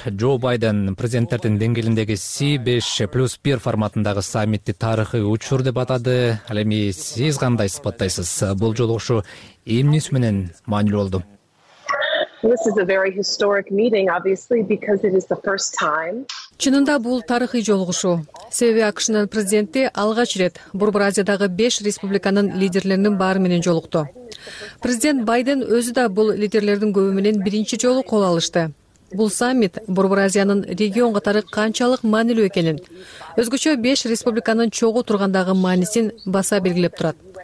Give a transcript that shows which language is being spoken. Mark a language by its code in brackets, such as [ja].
[ky] Джо Байден президенттердин деңгээлиндеги C5+1 форматындагы саммитти тарыхый учур деп атады. Ал эми сиз кандай сыпаттайсыз? Бул жолугушуу эмнеси менен маанилүү болду? [en] This is a very historic meeting, obviously, because it is the first time. [ky] Чынында бул тарыхый жолугушуу. Себеби АКШнын президенти алгач ирет Борбор Азиядагы 5 республиканын лидерлеринин баары менен жолукту. Президент Байден өзү да бул лидерлердин көбү менен биринчи жолу кол алышты. Бул саммит Борбор Азиянын регион катары канчалык маанилүү экенин, өзгөчө 5 республиканын чогуу тургандагы маанисин баса белгилеп турат.